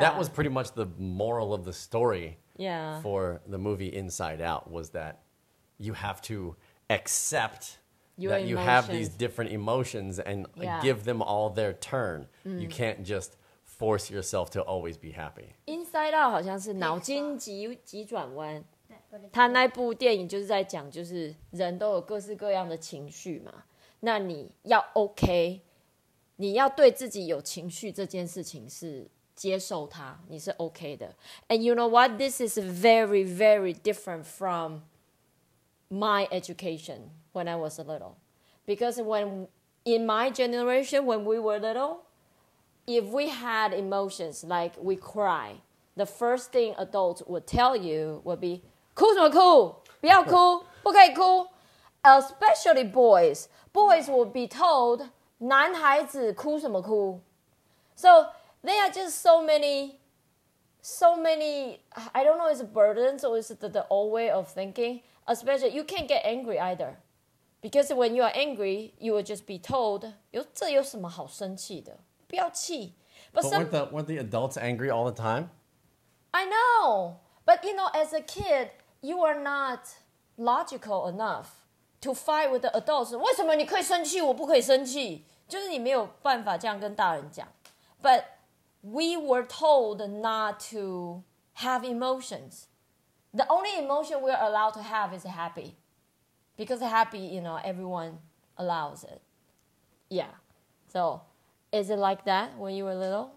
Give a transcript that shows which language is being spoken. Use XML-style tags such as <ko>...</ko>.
<en>That was pretty much the moral of the story. Yeah. For the movie Inside Out was that you have to accept、 Your、 that、 emotions. You have these different emotions and、 yeah. give them all their turn.、Mm. You can't just... Force yourself to always be happy.</en> <zh>Inside Out 好像是脑筋急转弯。他那部电影就是在讲，就是人都有各式各样的情绪嘛。那你要 OK， 你要对自己有情绪这件事情是接受它，你是 OK 的。</zh> <en>And you know what? This is very, very different from my education when I was a little. Because when in my generation, when we were little. If we had emotions, like we cry, the first thing adults would tell you would be,</en> <zh>哭什么哭？不要哭，不可以哭。</zh> <en>Especially boys. Boys would be told,</en> <zh>男孩子哭什么哭？</zh> <en>So there are just so many, I don't know, is it burdens or is it the old way of thinking? Especially, you can't get angry either. Because when you are angry, you would just be told,</en> <zh>这有什么好生气的？不要气，</zh> <en>But some, weren't the adults angry all the time? I know. But, you know, as a kid, you are not logical enough to fight with the adults.</en> <zh>为什么你可以生气我不可以生气?就是你没有办法这样跟大人讲。</zh> <en>But we were told not to have emotions. The only emotion we're allowed to have is happy. Because happy, you know, everyone allows it. Yeah. So, is it like that when you were little?</en>